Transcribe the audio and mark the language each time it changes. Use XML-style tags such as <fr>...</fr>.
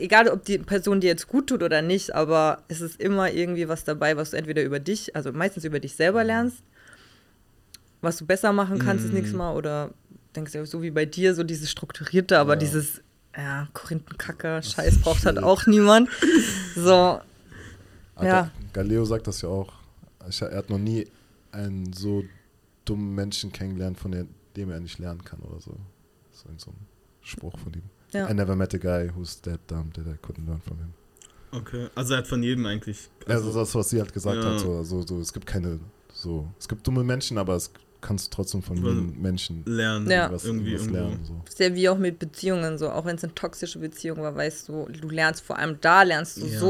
<de>Egal, ob die Person dir jetzt gut tut oder nicht, aber es ist immer irgendwie was dabei, was du entweder über dich, also meistens über dich selber lernst, was du besser machen kannst, das nächste Mal, oder denkst du, so wie bei dir, so dieses Strukturierte, aber dieses ja, Korinthenkacke, Scheiß braucht halt auch niemand. So. Ja. Galileo sagt das ja auch. Er hat noch nie einen so dummen Menschen kennengelernt, von dem er nicht lernen kann oder so. So in so einem Spruch von ihm.</de> <en>Ja. I never met a guy who's that dumb that I couldn't learn from him.</en> <de>Okay, also er hat von jedem eigentlich. Also das, was sie halt gesagt ja. hat, so, es gibt keine, so, es gibt dumme Menschen, aber es kannst du trotzdem von jedem Menschen lernen. Ja. Irgendwas lernen. So. Sehr wie auch mit Beziehungen, so, auch wenn es eine toxische Beziehung war, weißt du, du lernst vor allem da, lernst du ja.</de>